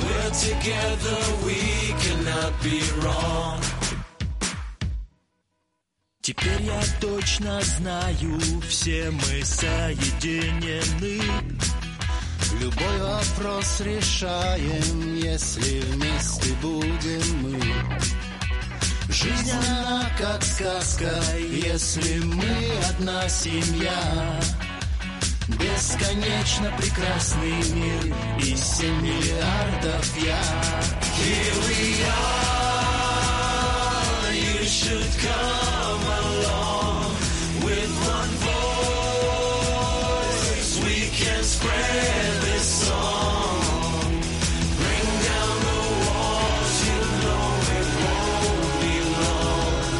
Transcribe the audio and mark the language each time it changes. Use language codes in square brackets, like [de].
[en] Together we cannot be wrong. [ru] Теперь я точно знаю, все мы соединены. Любой вопрос решаем, если вместе будем мы. Жизнь она как сказка, если мы одна семья. Бесконечно прекрасный мир и 7 миллиардов я. [en] Here we are, you should come along. With one voice we can spread this song. Bring down the walls, you know it won't be long.